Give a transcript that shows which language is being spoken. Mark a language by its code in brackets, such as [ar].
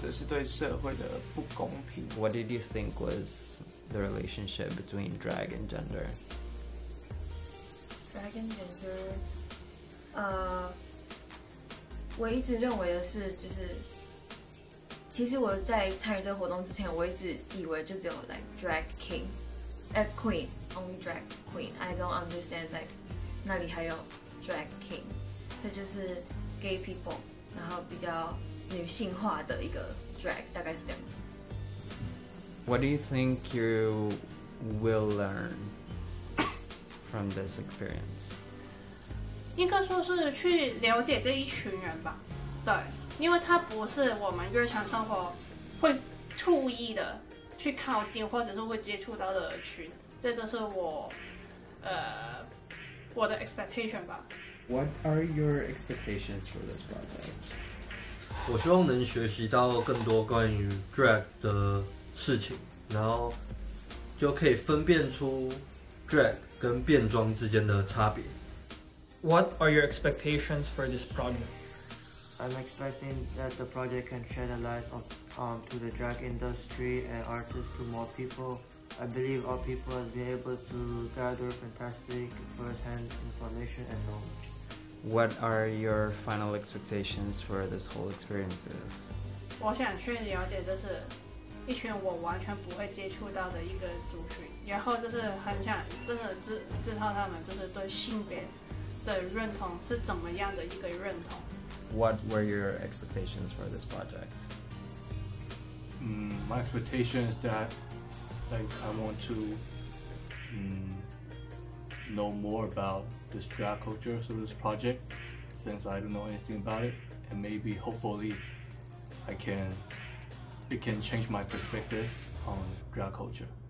[zh] 他们可以去借由表演来表达自己对性别或者是对社会的不公平。 [en] What did you think was the relationship between drag and gender? Drag and gender, [zh] 我一直认为的是就是。其实我在参与这个活动之前，我一直以为就只有 [en] like drag king， a queen, only drag queen. I don't understand, like, [zh] 那里还有 [en] drag king. [zh] 它就是 [en] gay people, [zh] 然后比较女性化的一个 drag, 大概是这样。 [en] What do you think you will learn from this experience? [zh] 应该说是去了解这一群人吧，对，因为他不是我们日常生活会注意的去靠近或者是会接触到的群，这就是我的 expectation 吧。 [en] What are your expectations for this project? [zh] 我希望能学习到更多关于 drag 的事情，然后就可以分辨出 drag 跟变装之间的差别。 [en] What are your expectations for this project? I'm expecting that the project can shed a light of, to the drag industry and artists to more people. I believe all people will be able to gather fantastic first-hand information and knowledge. What are your final expectations for this whole experience? [zh] 我想去了解就是一群我完全不会接触到的一个族群，然后就是很想真的知道他们就是对性别的认同是怎么样的一个认同。 [en] What were your expectations for this project? My expectation is that, like, I want to know more about this drag culture through this project, since I don't know anything about it, and maybe hopefully it can change my perspective on drag culture.